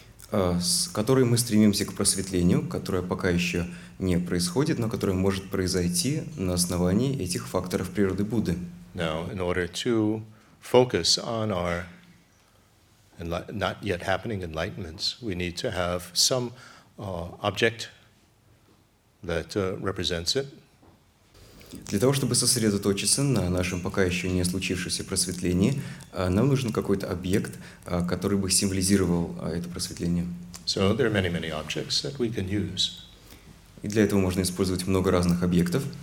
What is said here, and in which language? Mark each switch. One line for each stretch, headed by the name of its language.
Russian: С которой мы стремимся к просветлению, которое пока еще не происходит, но которое может произойти на основании этих факторов природы Будды.
English: Now, in order to focus on our not yet happening enlightenments, we need to have some object that represents it.
Russian: Для того, чтобы сосредоточиться на нашем пока еще не случившемся просветлении, нам нужен какой-то объект, который бы символизировал это просветление.
English: So there are many, many objects that we can use.
Russian: И для этого можно использовать много разных объектов.